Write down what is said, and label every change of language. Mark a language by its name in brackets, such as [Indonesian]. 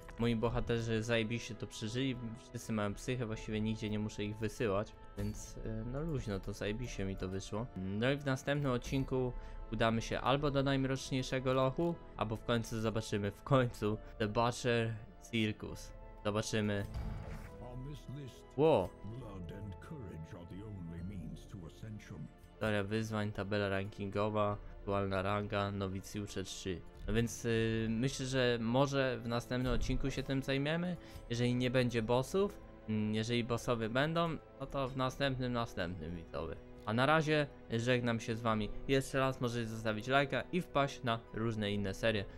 [Polish] Moi bohaterzy zajebiście to przeżyli, wszyscy mają psychę, właściwie nigdzie nie muszę ich wysyłać, więc no luźno, to zajebiście mi to wyszło. No i w następnym odcinku udamy się albo do najmroczniejszego lochu, albo w końcu zobaczymy The Butcher Circus. Zobaczymy. [English] this list. Blood and courage are the only means to ascension. [Polish] Seria wyzwań, tabela rankingowa, aktualna ranga, nowicjusze 3. No więc myślę, że może w następnym odcinku się tym zajmiemy, jeżeli nie będzie bossów. Jeżeli bossowie będą, no to w następnym widzowie. A na razie żegnam się z wami. Jeszcze raz możecie zostawić lajka i wpaść na różne inne serie.